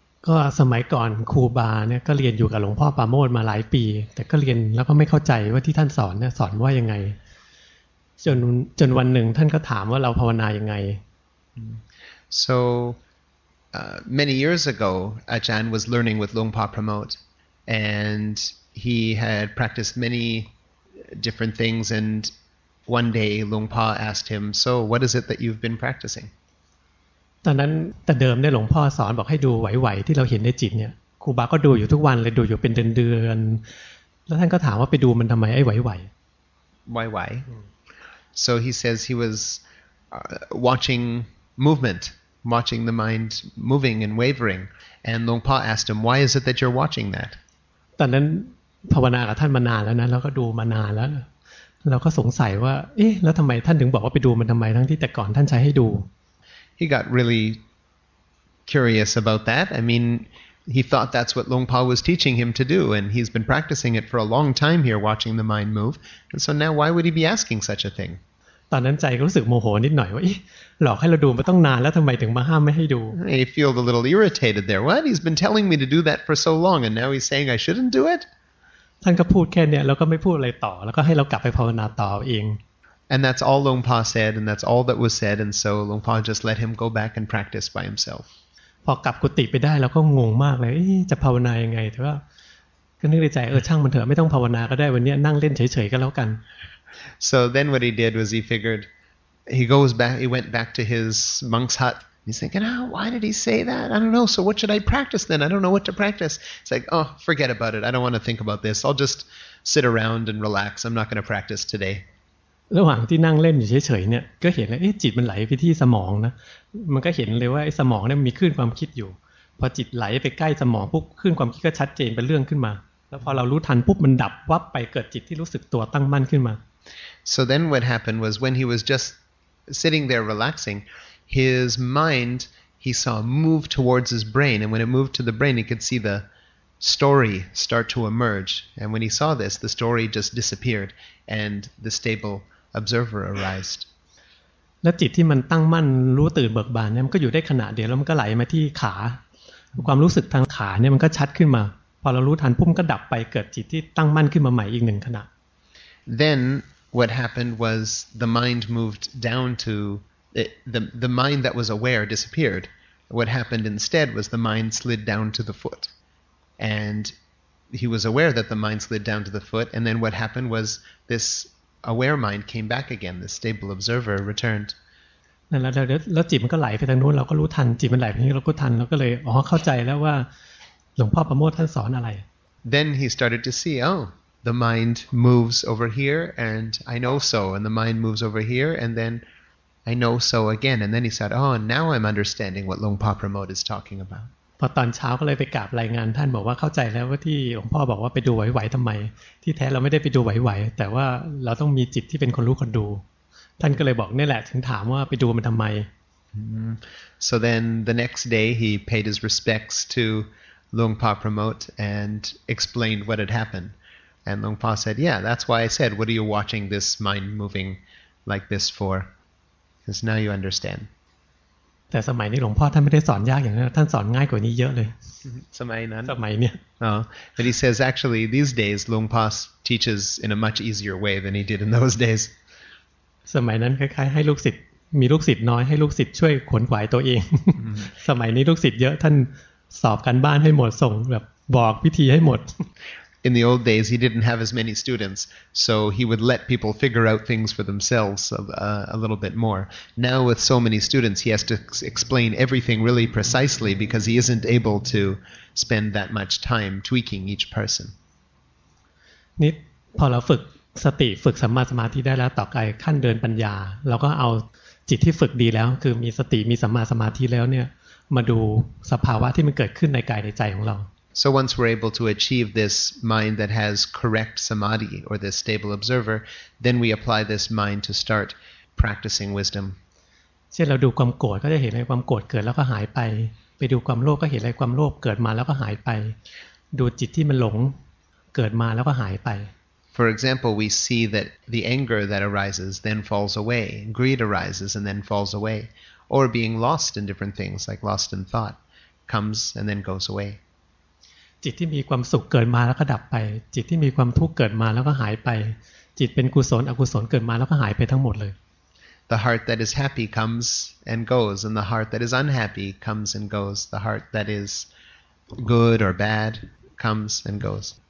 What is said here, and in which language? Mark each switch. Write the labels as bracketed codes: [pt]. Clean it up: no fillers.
[th] ก็สมัยก่อนครูบาเนี่ยก็เรียนอยู่กับหลวงพ่อปราโมทย์มาหลายปีแต่ก็เรียนแล้วก็ไม่เข้าใจว่าที่ท่านสอนเนี่ยสอนว่ายังไงจนวันหนึ่งท่านก็ถามว่าเราภาวนายังไง [en] So many years ago, Ajahn was learning with Lungpa Pramod, and he had practiced many different things. And one day, Lungpa asked him, "So, what is it that you've been practicing?" [th] ตอนนั้นแต่เดิมเนี่ยหลวงพ่อสอนบอกให้ดูไหวๆที่เราเห็นในจิตเนี่ยครูบาก็ดูอยู่ทุกวันเลยดูอยู่เป็นเดือนๆแล้วท่านก็ถามว่าไปดูมันทำไมไอ้ไหวๆ [en] ไหวๆ So he says he was watching movement. Watching the mind moving and wavering, and Longpa asked him, "Why is it that you're watching that?" [th] ตอนนั้นภาวนากับท่านมานานแล้วนะแล้วก็ดูมานานแล้วเราก็สงสัยว่าเอ๊ะแล้วทำไมท่านถึงบอกว่าไปดูมันทำไมทั้งที่แต่ก่อนท่านใช้ให้ดู [en] He got really curious about that. I mean, he thought that's what Longpa was teaching him to do, and he's been practicing it for a long time here, watching the mind move. And so now, why would he be asking such a thing? [th] ตอนนั้นใจก็รู้สึกโมโหนิดหน่อยว่าหลอกให้เราดูมาต้องนานแล้วทำไมถึงมาห้ามไม่ให้ดู [en] I feel a little irritated there. What? He's been telling me to do that for so long and now he's saying I shouldn't do it? [th] ท่านก็พูดแค่นี้แล้วก็ไม่พูดอะไรต่อแล้วก็ให้เรากลับไปภาวนาต่อเอง [en] And that's all Longpa said and that's all that was said and so Longpa just let him go back and practice by himself. [th] พอกลับกุฏิไปได้เราก็งงมากเลยจะภาวนายังไงแต่ว่าก็นึกในใจช่างมันเถอะไม่ต้องภาวนาก็ได้วันนี้นั่งเล่นเฉยๆก็แล้วกัน [en] So then what he did was he figured, he went back to his monk's hut. He's thinking, why did he say that? I don't know. So what should I practice then? I don't know what to practice. It's like, forget about it. I don't want to think about this. I'll just sit around and relax. I'm not going to practice today. [th] ระหว่างที่นั่งเล่นอยู่เฉยๆเนี่ยก็เห็นเลยจิตมันไหลไปที่สมองนะมันก็เห็นเลยว่าสมองเนี่ยมีคลื่นความคิดอยู่พอจิตไหลไปใกล้สมองปุ๊บคลื่นความคิดก็ชัดเจนเป็นเรื่องขึ้นมาแล้วพอเรารู้ทันปุ๊บมันดับวับไปเกิดจิตที่รู้สึกตัวตั้งมั่นขึ้นมา [en] So then what happened was when he was just sitting there relaxing, his mind, he saw move towards his brain. And when it moved to the brain, he could see the story start to emerge. And when he saw this, the story just disappeared and the stable observer arised. [th] และจิตที่มันตั้งมั่นรู้ตื่นเบิกบานเนี่ยมันก็อยู่ได้ขณะเดียวแล้วมันก็ไหลมาที่ขาความรู้สึกทางขาเนี่ยมันก็ชัดขึ้นมาพอเรารู้ทันปุ๊บก็ดับไปเกิดจิตที่ตั้งมั่นขึ้นมาใหม่อีกหนึ่งขณะ [en] Then what happened was the mind moved down to the mind that was aware disappeared. What happened instead was the mind slid down to the foot. And he was aware that the mind slid down to the foot. And then what happened was this aware mind came back again. The stable observer returned. [th] แล้วจิตมันก็ไหลไปทางนู้นเราก็รู้ทันจิตมันไหลไปทางนี้เราก็ทันเราก็เลยอ๋อเข้าใจแล้วว่าหลวงพ่อประโมทท่านสอนอะไร [en] Then he started to see, The mind moves over here, and I know so. And the mind moves over here, and then I know so again. And then he said, now I'm understanding what Longpa Pramod is talking about. [th] พอตอนเช้าก็เลยไปกราบรายงานท่านบอกว่าเข้าใจแล้วว่าที่หลวงพ่อบอกว่าไปดูไหวๆทำไมที่แท้เราไม่ได้ไปดูไหวๆแต่ว่าเราต้องมีจิตที่เป็นคนรู้คนดูท่านก็เลยบอกนี่แหละถึงถามว่าไปดูมันทำไม [en] So then the next day he paid his respects to Longpa Pramod and explained what had happened. And Longpa said, "Yeah, that's why I said, what are you watching this mind moving like this for? Because now you understand." [th] แต่สมัยนี้หลวงพ่อท่านไม่ได้สอนยากอย่างนั้นท่านสอนง่ายกว่านี้เยอะเลย สมัยนั้น สมัยเนี้ย [en] But he says actually these days Long Pas teaches in a much easier way than he did in those days [th] สมัยนั้นคล้ายๆให้ลูกศิษย์มีลูกศิษย์น้อยให้ลูกศิษย์ช่วยขวนขวายตัวเอง สมัยนี้ลูกศิษย์เยอะท่านสอบกันบ้านให้หมดส่งแบบบอกพิธีให้หมด [en] In the old days he didn't have as many students so he would let people figure out things for themselves a little bit more now with so many students he has to explain everything really precisely because he isn't able to spend that much time tweaking each person [th] นี่พอเราฝึกสติฝึกสัมมาสมาธิได้แล้วต่อไปขั้นเดินปัญญาเราก็เอาจิตที่ฝึกดีแล้วคือมีสติมีสัมมาสมาธิแล้วเนี่ยมาดูสภาวะที่มันเกิดขึ้นในกายในใจของเรา [en] So once we're able to achieve this mind that has correct samadhi or this stable observer, then we apply this mind to start practicing wisdom. [th] เช่นเราดูความโกรธก็จะเห็นเลยความโกรธเกิดแล้วก็หายไปไปดูความโลภก็เห็นเลยความโลภเกิดมาแล้วก็หายไปดูจิตที่มันหลงเกิดมาแล้วก็หายไป [en] For example, we see that the anger that arises then falls away, greed arises and then falls away, or being lost in different things like lost in thought comes and then goes away. [th] จิตที่มีความสุขเกิดมาแล้วก็ดับไปจิตที่มีความทุกข์เกิดมาแล้วก็หายไปจิตเป็นกุศลอกุศลเกิดมาแล้วก็หายไปทั้งหมดเลย [en] The heart that is happy comes and goes and the heart that is unhappy comes and goes the heart that is good or bad comes and goes